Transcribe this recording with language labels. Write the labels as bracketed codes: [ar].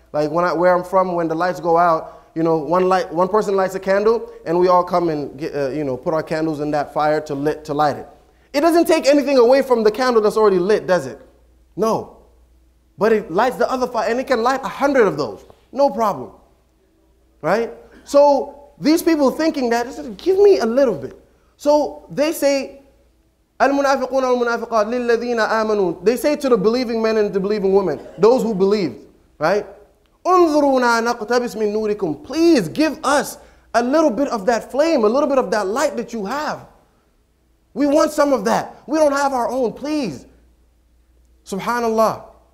[en] Like when where I'm from, when the lights go out, you know, one person lights a candle and we all come and get, put our candles in that fire to light it. It doesn't take anything away from the candle that's already lit, does it? No. But it lights the other fire and it can light 100 of those. No problem. Right? So these people thinking that, just give me a little bit. So they say, [ar] المنافقون والمنافقات للذين آمنوا. [en] They say to the believing men and the believing women, those who believed, right? [ar] انظرونا نقتبس من نوركم. [en] Please give us a little bit of that flame, a little bit of that light that you have. We want some of that. We don't have our own. Please. Subhanallah.